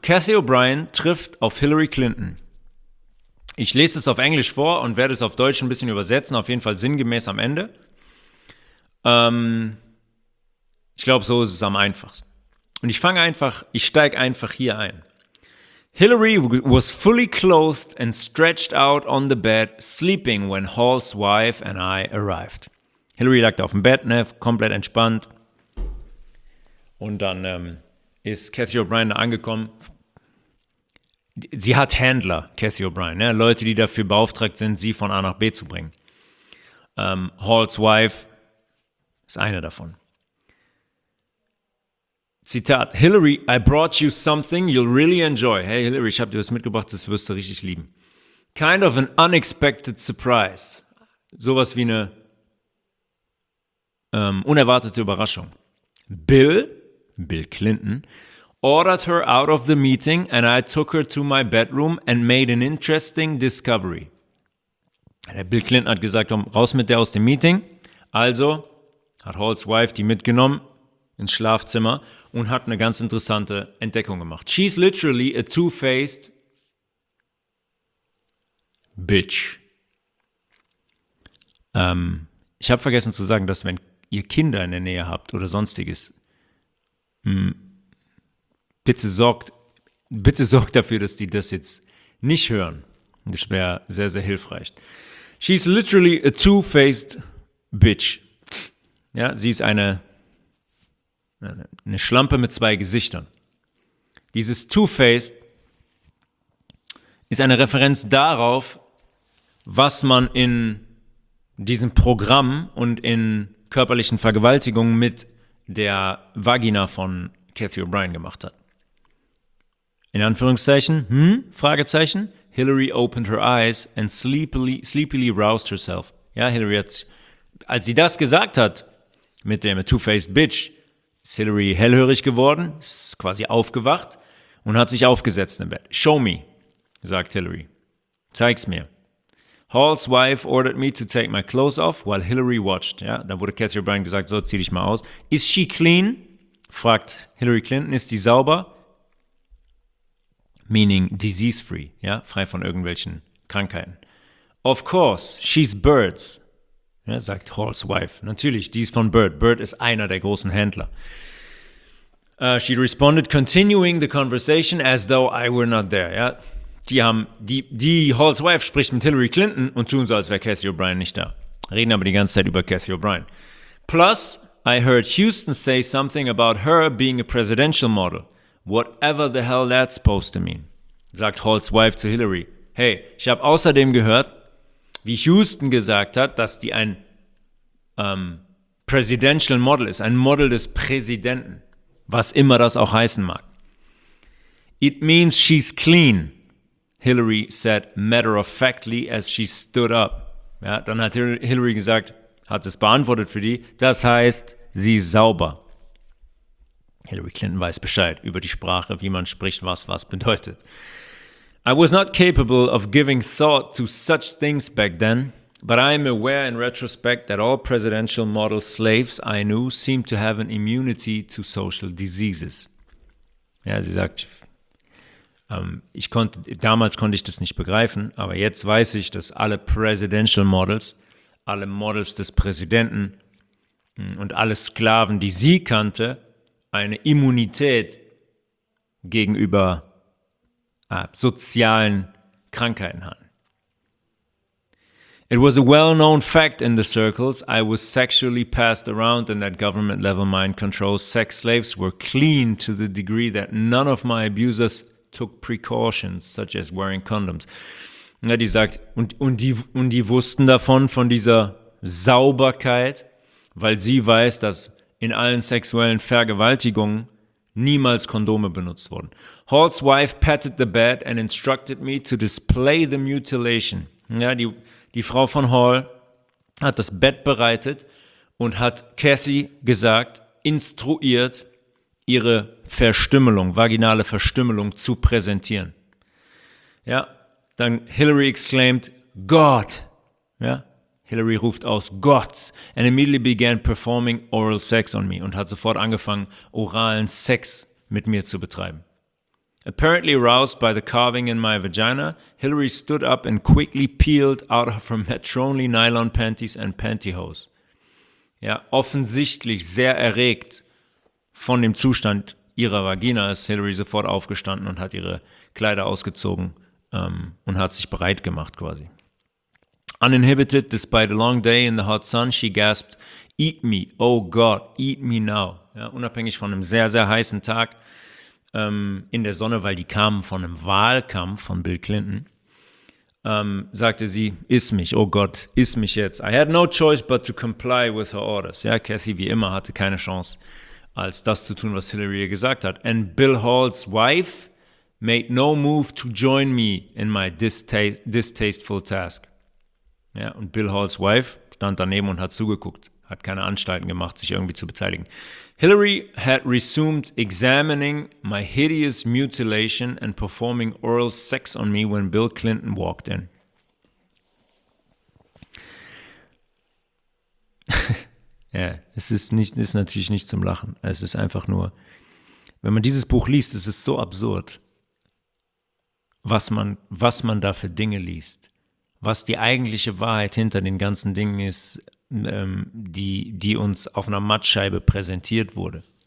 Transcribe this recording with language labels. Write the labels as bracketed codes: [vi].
[de] Kathy O'Brien trifft auf Hillary Clinton. Ich lese es auf Englisch vor und werde es auf Deutsch ein bisschen übersetzen, auf jeden Fall sinngemäß am Ende. Ich glaube, so ist es am einfachsten. Und ich fange einfach, ich steige einfach hier ein. [en] Hillary was fully clothed and stretched out on the bed, sleeping when Hall's wife and I arrived. [de] Hillary lag da auf dem Bett, ne, komplett entspannt. Und dann ist Kathy O'Brien da angekommen. Sie hat Händler, Kathy O'Brien, ne, Leute, die dafür beauftragt sind, sie von A nach B zu bringen. Hall's wife ist eine davon. [en] Zitat, Hillary, I brought you something you'll really enjoy. [de] Hey Hillary, ich hab dir was mitgebracht, das wirst du richtig lieben. [en] Kind of an unexpected surprise. [de] Sowas wie eine unerwartete Überraschung. [en] Bill Clinton, ordered her out of the meeting and I took her to my bedroom and made an interesting discovery. [de] Der Bill Clinton hat gesagt, raus mit der aus dem Meeting. Also hat Hall's wife die mitgenommen ins Schlafzimmer und hat eine ganz interessante Entdeckung gemacht. [en] She's literally a two-faced bitch. [de] Ich habe vergessen zu sagen, dass wenn ihr Kinder in der Nähe habt oder sonstiges, bitte sorgt dafür, dass die das jetzt nicht hören. Das wäre sehr, sehr hilfreich. [en] She's literally a two-faced bitch. [de] Ja, sie ist eine Schlampe mit zwei Gesichtern. Dieses Two-Faced ist eine Referenz darauf, was man in diesem Programm und in körperlichen Vergewaltigungen mit der Vagina von Kathy O'Brien gemacht hat. In Anführungszeichen, Fragezeichen, [en] Hillary opened her eyes and sleepily roused herself. [de] Ja, Hillary hat, als sie das gesagt hat, mit dem Two-Faced Bitch, ist Hillary hellhörig geworden, ist quasi aufgewacht und hat sich aufgesetzt im Bett. [en] Show me, [de] sagt Hillary. Zeig's mir. [en] Hall's wife ordered me to take my clothes off while Hillary watched. [de] Ja, da wurde Kathy O'Brien gesagt, so zieh dich mal aus. [en] Is she clean? [de] Fragt Hillary Clinton. Ist die sauber? [en] Meaning disease free, [de] ja, frei von irgendwelchen Krankheiten. [en] Of course, she's Bird's. [de] Ja, sagt [en] Hall's wife. [de] Natürlich, die ist von Bird. Bird ist einer der großen Händler. [en] She responded, continuing the conversation as though I were not there. [de] Ja, die Hall's wife spricht mit Hillary Clinton und tun so, als wäre Kathy O'Brien nicht da. Reden aber die ganze Zeit über Kathy O'Brien. [en] Plus, I heard Houston say something about her being a presidential model. Whatever the hell that's supposed to mean. [de] Sagt Hall's wife zu Hillary. Hey, ich habe außerdem gehört, wie Houston gesagt hat, dass die ein Presidential Model ist, ein Model des Präsidenten, was immer das auch heißen mag. [en] It means she's clean, Hillary said matter-of-factly as she stood up. [de] Ja, dann hat Hillary gesagt, hat es beantwortet für die, das heißt, sie ist sauber. Hillary Clinton weiß Bescheid über die Sprache, wie man spricht, was bedeutet. [en] I was not capable of giving thought to such things back then, but I am aware in retrospect that all presidential model slaves I knew seemed to have an immunity to social diseases. [de] Ja, sie sagt, damals konnte ich das nicht begreifen, aber jetzt weiß ich, dass alle presidential models, alle Models des Präsidenten und alle Sklaven, die sie kannte, eine Immunität gegenüber sozialen Krankheiten hatten. [en] It was a well-known fact in the circles I was sexually passed around and that government-level mind control sex slaves were clean to the degree that none of my abusers took precautions such as wearing condoms. [de] Ja, die sagt, und die wussten davon, von dieser Sauberkeit, weil sie weiß, dass in allen sexuellen Vergewaltigungen niemals Kondome benutzt wurden. [en] Hall's wife patted the bed and instructed me to display the mutilation. [de] Ja, die Frau von Hall hat das Bett bereitet und hat Kathy gesagt, instruiert, ihre Verstümmelung, vaginale Verstümmelung zu präsentieren. Ja, dann Hillary [en] exclaimed, God! [de] Ja, Hillary ruft aus, Gott, [en] and immediately began performing oral sex on me [de] und hat sofort angefangen, oralen Sex mit mir zu betreiben. [en] Apparently aroused by the carving in my vagina, Hillary stood up and quickly peeled out of her matronly nylon panties and pantyhose. [de] Ja, offensichtlich sehr erregt von dem Zustand ihrer Vagina ist Hillary sofort aufgestanden und hat ihre Kleider ausgezogen und hat sich bereit gemacht quasi. [en] Uninhibited, despite a long day in the hot sun, she gasped, eat me, oh God, eat me now. [de] Ja, unabhängig von einem sehr, sehr heißen Tag in der Sonne, weil die kamen von einem Wahlkampf von Bill Clinton, sagte sie, iss mich, oh Gott, iss mich jetzt. [en] I had no choice but to comply with her orders. [de] Ja, Cassie, wie immer, hatte keine Chance, als das zu tun, was Hillary ihr gesagt hat. [en] And Bill Hall's wife made no move to join me in my distasteful task. [de] Ja, und Bill Hall's wife stand daneben und hat zugeguckt, hat keine Anstalten gemacht, sich irgendwie zu beteiligen. [en] Hillary had resumed examining my hideous mutilation and performing oral sex on me when Bill Clinton walked in. [de] Ja, es ist natürlich nicht zum Lachen. Es ist einfach nur, wenn man dieses Buch liest, es ist so absurd, was man da für Dinge liest. Was die eigentliche Wahrheit hinter den ganzen Dingen ist, die uns auf einer Mattscheibe präsentiert wurde.